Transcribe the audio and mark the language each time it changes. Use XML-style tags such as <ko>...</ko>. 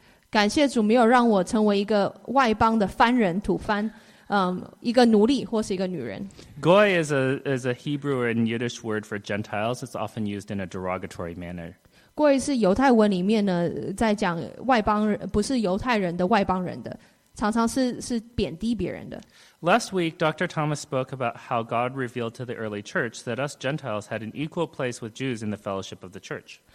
<zh>感谢主没有让我成为一个外邦的番人、土番，一个奴隶或是一个女人。</zh> <en>Goy is a Hebrew and Yiddish word for Gentiles. It's often used in a derogatory manner.</en> <zh>Goy 是犹太文里面呢，在讲外邦人，不是犹太人的外邦人的，常常是贬低别人的。</zh> <en>Last week, Dr. Thomas spoke about how God revealed to the early church that us Gentiles had an equal place with Jews in the fellowship of the church.</en>